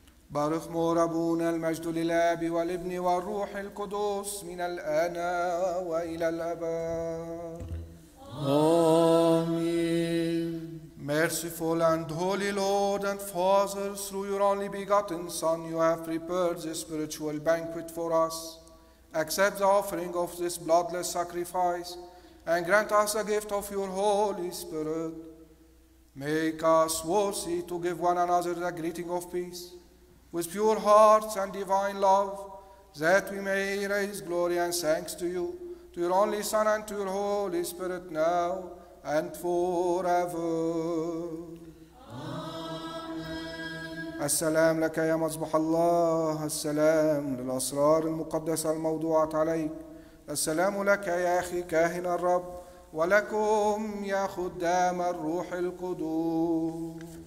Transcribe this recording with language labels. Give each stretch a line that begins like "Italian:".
Arabic: بارخ مربون المجد للآب والابن والروح القدس من الآن وإلى الأبد. آمين.
English: Merciful and holy Lord and Father, through your only begotten Son, you have prepared this spiritual banquet for us. Accept the offering of this bloodless sacrifice and grant us the gift of your Holy Spirit. Make us worthy to give one another the greeting of peace, with pure hearts and divine love, that we may raise glory and thanks to you, to your only Son and to your Holy Spirit, now and forever. Amen.
Arabic: السلام لك يا مصباح الله، السلام للأسرار المقدسة الموضوعة عليك، السلام لك يا أخي كاهن الرب، ولكم يا خدام الروح القدوس.